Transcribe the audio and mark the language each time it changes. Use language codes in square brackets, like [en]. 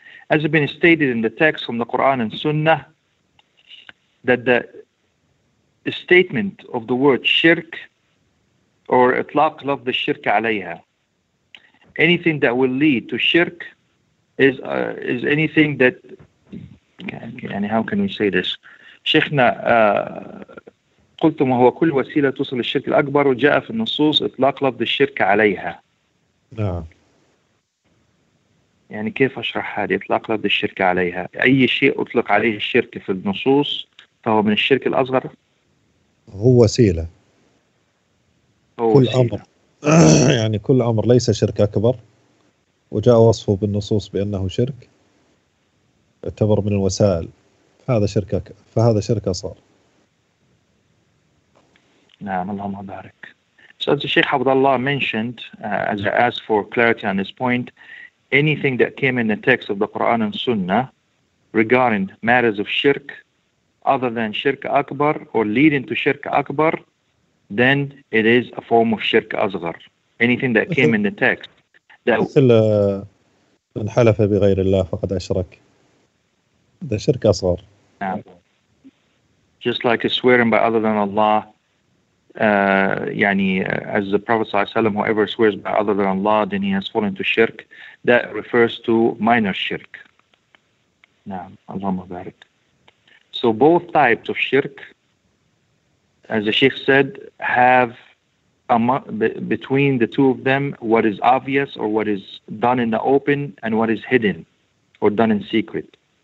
[en] As has been stated in the text from the Quran and Sunnah, that the statement of the word shirk, or itlaq love the shirk alayha, anything that will lead to shirk is anything that, okay, how can we say this? [ar] Shaykhna, قلتم وهو كل وسيلة توصل للشرك الأكبر وجاء في النصوص إطلاق لفظ الشرك عليها. نعم. يعني كيف أشرح هذه إطلاق لفظ الشرك عليها؟ أي شيء أطلق عليه الشرك في النصوص فهو من الشرك الأصغر؟ هو وسيلة. هو كل وسيلة. أمر يعني كل أمر ليس شرك أكبر وجاء وصفه بالنصوص بأنه شرك يعتبر من الوسائل، فهذا شرك أصغر. نعم اللهم بارك. [en] So as the Sheikh Abdullah mentioned, as I asked for clarity on this point, anything that came in the text of the Quran and Sunnah regarding matters of shirk other than shirk akbar or leading to shirk akbar, then it is a form of shirk asghar. Anything that came in the text that [ar] من حلف بغير الله فقد أشرك ده شرك أصغر. نعم. [en] Just like swearing by other than Allah, as the Prophet sallallahu alaihi wasallam, whoever swears by other than Allah, then he has fallen to shirk. That refers to minor shirk. Naam, Allahumma barik. So both types of shirk, as the Sheikh said, have between the two of them what is obvious or what is done in the open and what is hidden or done in secret.